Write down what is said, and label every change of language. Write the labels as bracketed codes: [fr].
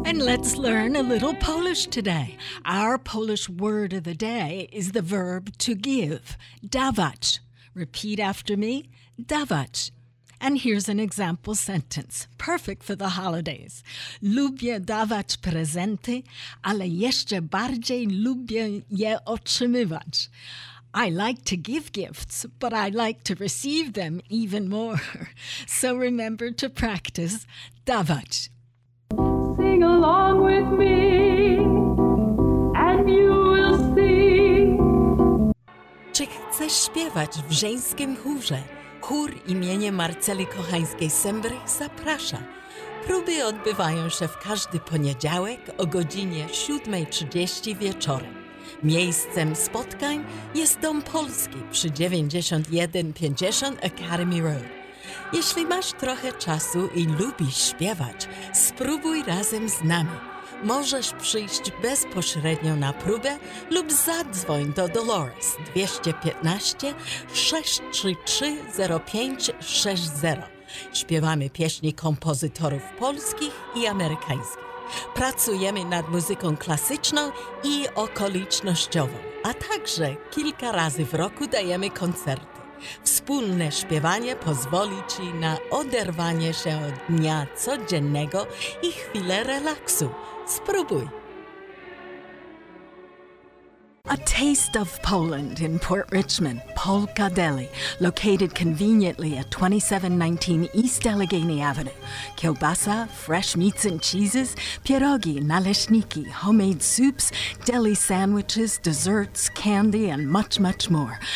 [en] Let's learn a little Polish today. Our Polish word of the day is the verb to give, dawać. Repeat after me, dawać. And here's an example sentence, perfect for the holidays. [pl] Lubię dawać prezenty, ale jeszcze bardziej lubię je otrzymywać. [en] I like to give gifts, but I like to receive them even more. So remember to practice dawać. Sing along with me, and you will see. [pl] Czy chcesz śpiewać w żeńskim chórze? Chór imieniem Marceli Kochańskiej-Sembrych zaprasza. Próby odbywają się w każdy poniedziałek o godzinie 7:30 wieczorem. Miejscem spotkań jest Dom Polski przy 9150 Academy Road. Jeśli masz trochę czasu i lubisz śpiewać, spróbuj razem z nami. Możesz przyjść bezpośrednio na próbę lub zadzwoń do Dolores 215-633-0560. Śpiewamy pieśni kompozytorów polskich i amerykańskich. Pracujemy nad muzyką klasyczną i okolicznościową, a także kilka razy w roku dajemy koncerty. Wspólne śpiewanie pozwoli Ci na oderwanie się od dnia codziennego i chwilę relaksu. Spróbuj. [en] A Taste of Poland in Port Richmond, Polka Deli, located conveniently at 2719 East Allegheny Avenue. Kielbasa, fresh meats and cheeses, pierogi, naleśniki, homemade soups, deli sandwiches, desserts, candy, and much, much more.